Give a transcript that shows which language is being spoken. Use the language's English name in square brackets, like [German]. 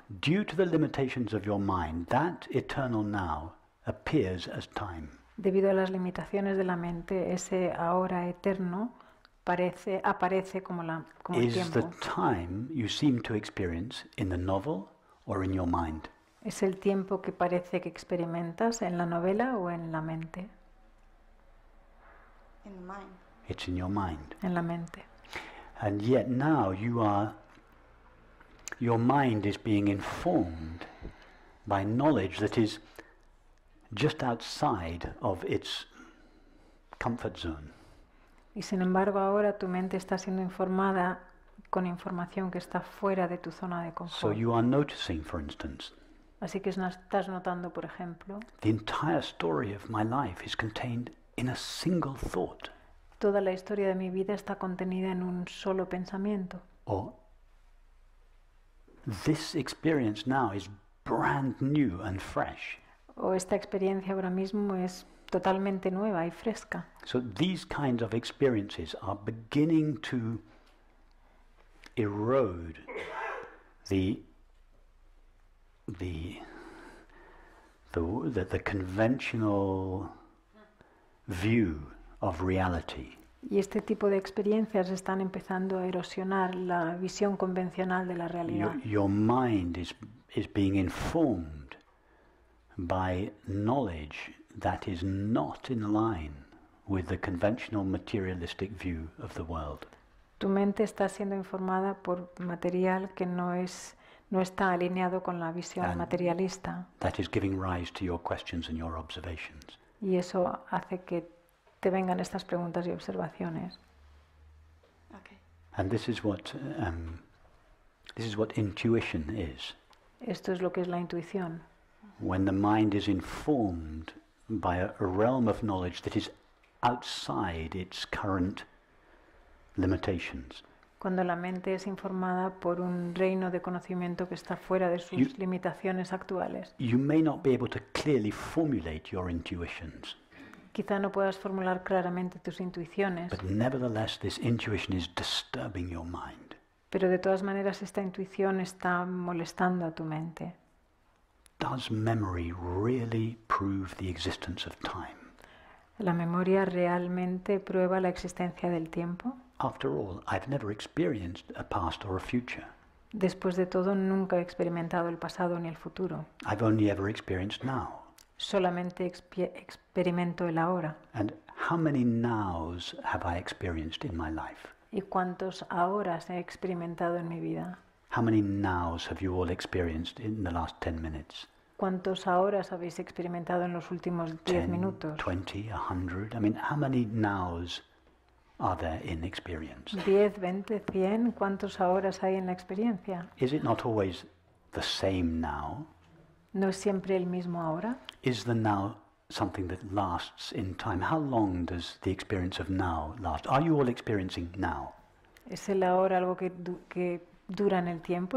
[English] due to the limitations of your mind, that eternal now appears as time. [Spanish] Debido a las limitaciones de la mente, ese ahora eterno aparece como el [English] is [Spanish] tiempo. [English] Is the time you seem to experience in the novel or in your mind? [Spanish] ¿Es el tiempo que parece que experimentas en la novela o en la mente? [English] In the mind. It's in your mind. [Spanish] En la mente. [English] And yet now you are, your mind is being informed by knowledge that is just outside of its comfort zone. [Spanish] Y sin embargo ahora tu mente está siendo informada con información que está fuera de tu zona de confort. [English] So you are noticing, for instance, [Spanish] así que estás notando, por ejemplo, [English] the entire story of my life is contained in a single thought. [Spanish] Toda la historia de mi vida está contenida en un solo pensamiento. [English] Or, this experience now is brand new and fresh. [Spanish] O esta experiencia ahora mismo es totalmente nueva y fresca. [English] So these kinds of experiences are beginning to erode the conventional view of reality. [Spanish] Y este tipo de experiencias están empezando a erosionar la visión convencional de la realidad. [English] Your mind is being informed by knowledge that is not in line with the conventional materialistic view of the world. [Spanish] Tu mente está siendo informada por material que no está alineado con la visión materialista. [English] That is giving rise to your questions and your observations. [Spanish] Y eso hace que te vengan estas preguntas y observaciones. [English] Okay. And this is what intuition is. [Spanish] Esto es lo que es la intuición. [English] When the mind is informed by a realm of knowledge that is outside its current limitations. [Spanish] Cuando la mente es informada por un reino de conocimiento que está fuera de sus limitaciones actuales. [English] You may not be able to clearly formulate your intuitions. [Spanish] Quizá no puedas formular claramente tus intuiciones. [English] But nevertheless, this intuition is disturbing your mind. [Spanish] Pero de todas maneras esta intuición está molestando a tu mente. [English] Does memory really prove the existence of time? [Spanish] ¿La memoria realmente prueba la existencia del tiempo? [English] After all, I've never experienced a past or a future. [Spanish] Después de todo, nunca he experimentado el pasado ni el futuro. [English] I've only ever experienced now. [Spanish] Solamente experimento el ahora. [English] And how many nows have I experienced in my life? [Spanish] ¿Y cuántos ahoras he experimentado en mi vida? [English] How many nows have you all experienced in the last 10 minutes? [Spanish] ¿Cuántos ahoras habéis experimentado en los últimos 10 minutos? [English] 20, 100. I mean, how many nows are there in experience? [Spanish] 10, 20, 100. ¿Cuántos ahoras hay en la experiencia? [English] Is it not always the same now? [Spanish] ¿No es siempre el mismo ahora? [English] Is the now something that lasts in time? How long does the experience of now last? Are you all experiencing now? [Spanish] ¿Es el ahora algo que dura en el tiempo?